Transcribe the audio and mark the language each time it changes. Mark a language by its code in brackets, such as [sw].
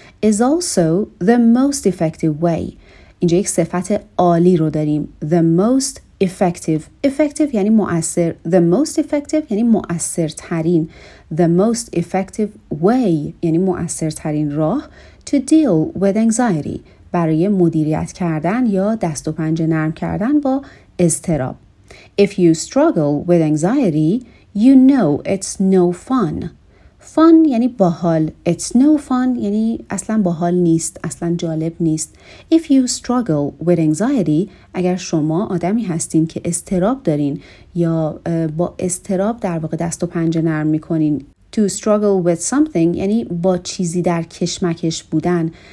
[en] is also the most effective way [fa] اینجا یک صفت عالی رو داریم the most effective effective یعنی مؤثر the most effective یعنی مؤثرترین the most effective way یعنی مؤثرترین راه [en] to deal with anxiety [fa] برای مدیریت کردن یا دست و پنجه نرم کردن با اضطراب. [en] If you struggle with anxiety, you know it's no fun. [fa] Fun یعنی باحال. [en] It's no fun [fa] یعنی اصلا باحال نیست. اصلا جالب نیست. [en] If you struggle with anxiety, [fa] اگر شما آدمی هستین که اضطراب دارین یا با اضطراب در واقع دست و پنجه نرم میکنین، [en] To struggle with something [fa] یعنی با چیزی در کشمکش بودن.